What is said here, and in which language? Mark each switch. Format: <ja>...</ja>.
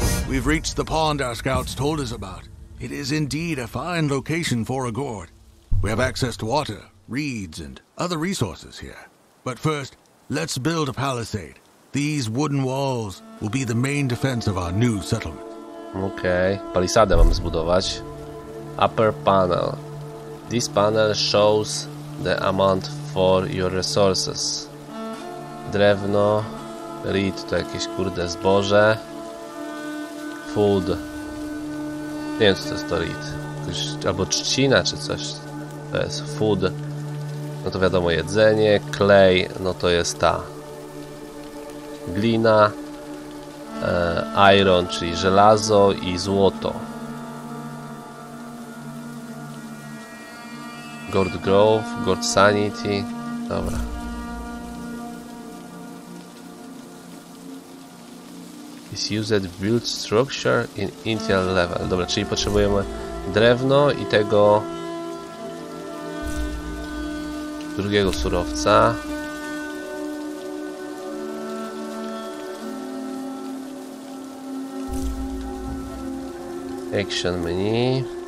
<en>We've reached the pond our scouts told us about. It is indeed a fine location for a gourd. We have access to water, reeds, and other resources here. But first, let's build a palisade. These wooden walls will be the main defense of our new settlement.</en> <pl>Okay, palisadę mam zbudować.</pl> <en>Upper panel. This panel shows the amount for your resources.</en> <pl>Drewno, reed, to jakieś kurde zboże. Food. Nie wiem, co to jest to lead. Jakoś, albo trzcina, czy coś. To jest food. No to wiadomo, jedzenie. Clay, no to jest ta. Glina. Iron, czyli żelazo i złoto.</pl> <en>Gourd Grove, Gourd Sanity. Dobra. Is used to build structure in Indian level.</en> <pl>Dobra, czyli potrzebujemy drewno i tego drugiego surowca.</pl> <en>Action menu.</en>